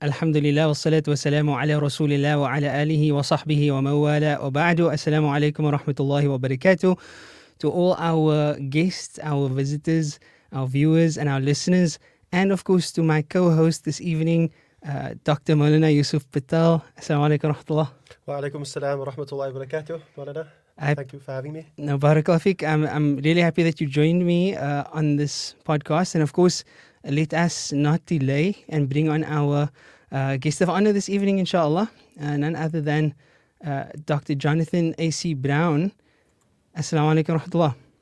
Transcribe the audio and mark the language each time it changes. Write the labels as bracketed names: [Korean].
[Arabic] الحمد لله والصلاة والسلام على رسول الله وعلى آله وصحبه وموالاه. وبعد, السلام عليكم ورحمة الله وبركاته. [English] To all our guests, our visitors, our viewers and our listeners, and of course to my co-host this evening, Dr. [Arabic] مولانا يوسف بتال. السلام عليكم ورحمة الله. وعليكم السلام ورحمة الله وبركاته مولانا. [English] Thank you for having me. No, barakallahu feek. I'm really happy that you joined me on this podcast. And of course, let us not delay and bring on our guest of honor this evening, inshallah, none other than Dr. Jonathan A.C. Brown. Assalamu alaikum warahmatullah.